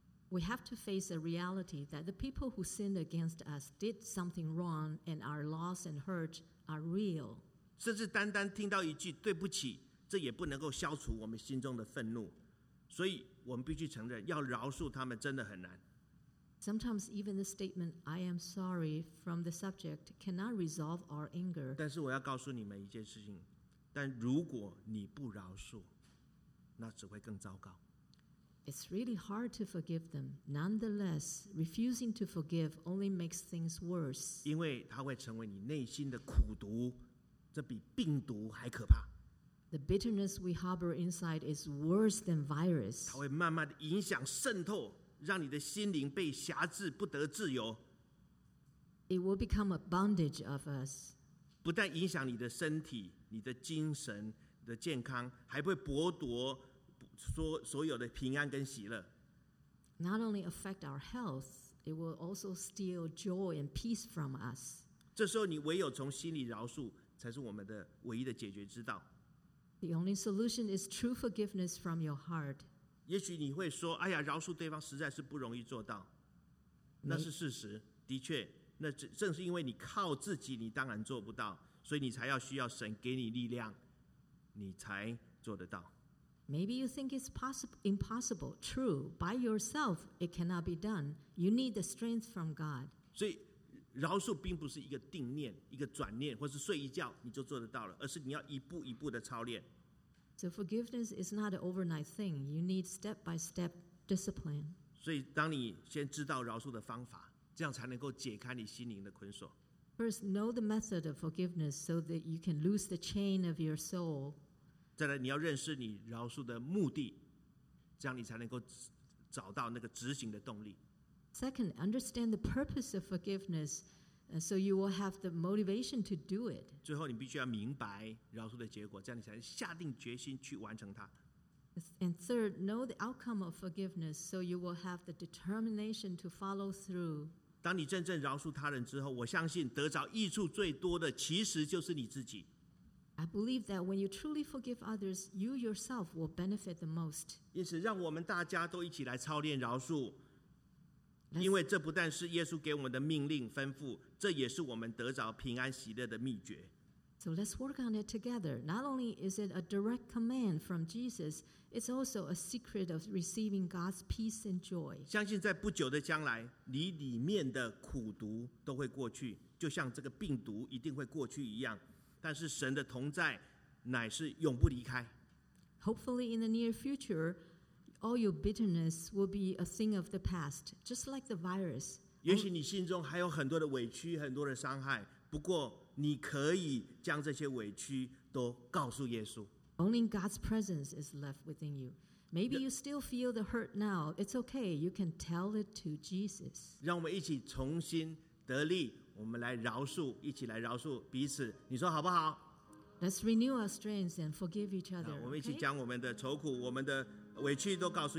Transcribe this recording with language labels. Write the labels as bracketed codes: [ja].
[en] We have to face a reality that the people who sinned against us did something wrong and our loss and hurt are real. [zh] 甚至单单听到一句对不起，这也不能够消除我们心中的愤怒，所以我们必须承认要饶恕他们真的很难。 [en] Sometimes even the statement I am sorry from the subject cannot resolve our anger. [zh] 但是我要告诉你们一件事情，但如果你不饶恕，那只会更糟糕。 [en] It's really hard to forgive them. Nonetheless, refusing to forgive only makes things worse. [zh] 因为它会成为你内心的苦毒，这比病毒还可怕。 [en] The bitterness we harbor inside is worse than virus. [zh] 它会慢慢的影响渗透，让你的心灵被辖制，不得自由。 [en] It will become a bondage of us. [zh] 不但影响你的身体、你的精神、你的健康，还会剥夺所有的平安跟喜乐。 [en] Not only affect our health, it will also steal joy and peace from us. [zh] 这时候你唯有从心里饶恕，才是我们的唯一的解决之道。 [en] The only solution is true forgiveness from your heart. [zh] 也许你会说，哎呀，饶恕对方实在是不容易做到。那是事实，的确，那正是因为你靠自己，你当然做不到，所以你才要需要神给你力量，你才做得到。 [en] Maybe you think it's possible, impossible. True, by yourself, it cannot be done. You need the strength from God. [zh] 所以，饶恕并不是一个定念、一个转念，或是睡一觉你就做得到了，而是你要一步一步的操练。 [en] So forgiveness is not an overnight thing. You need step-by-step discipline. [zh] 所以，当你先知道饶恕的方法，这样才能够解开你心灵的捆锁。 [en] First, know the method of forgiveness so that you can loose the chain of your soul. [zh] 再来，你要认识你饶恕的目的，这样你才能够找到那个执行的动力。 [en] Second, understand the purpose of forgiveness, so you will have the motivation to do it. [zh] 最后，你必须要明白饶恕的结果，这样你才能下定决心去完成它。 [en] And third, know the outcome of forgiveness, so you will have the determination to follow through. [zh] 当你真正饶恕他人之后，我相信得着益处最多的其实就是你自己。 [en] I believe that when you truly forgive others, you yourself will benefit the most. [zh] 因此，让我们大家都一起来操练饶恕。因为这不但是耶稣给我们的命令吩咐，这也是我们得着平安喜乐的秘诀。 [en] So let's work on it together. Not only is it a direct command from Jesus, it's also a secret of receiving God's peace and joy. [zh] 相信在不久的将来，你里面的苦毒都会过去，就像这个病毒一定会过去一样。但是神的同在乃是永不离开。 [en] Hopefully in the near future, all your bitterness will be a thing of the past, just like the virus. [zh] 也许你心中还有很多的委屈，很多的伤害，不过你可以将这些委屈都告诉耶稣。 [en] Only God's presence is left within you. Maybe you still feel the hurt now. It's okay. You can tell it to Jesus. [zh] 让我们一起重新得力，我们来饶恕，一起来饶恕彼此。你说好不好？ [en] Let's renew our strength and forgive each other. [zh] 我们一起将我们的愁苦，我们的委屈都告诉。